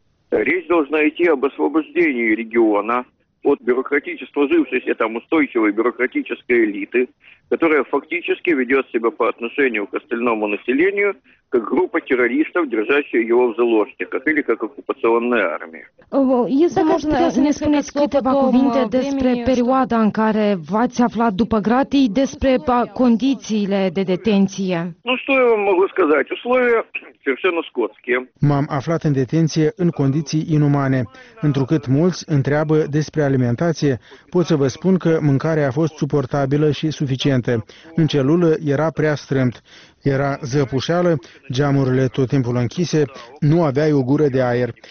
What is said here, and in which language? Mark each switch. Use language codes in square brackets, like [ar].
[ru] Речь должна идти об освобождении региона от бюрократического, жившейся там устойчивой бюрократической элиты, которая фактически ведет себя по отношению к остальному населению как группа террористов, держащая его в заложниках, или как оккупационная армия. Если можно, [ro] не спуneți câteva cuvinte despre perioada în care v-ați aflat după Grad и despre condițiile de detenție. [ru] Ну что я вам могу сказать? Условия совершенно скотские. [ro] M-am aflat în detenție în condiții inumane. Întrucât mulți întreabă despre alimentație, pot să vă spun că mâncarea a fost suportabilă și suficientă. În celulă era prea strâmt. Era zăpușeală, geamurile tot timpul închise, nu aveai o gură de aer.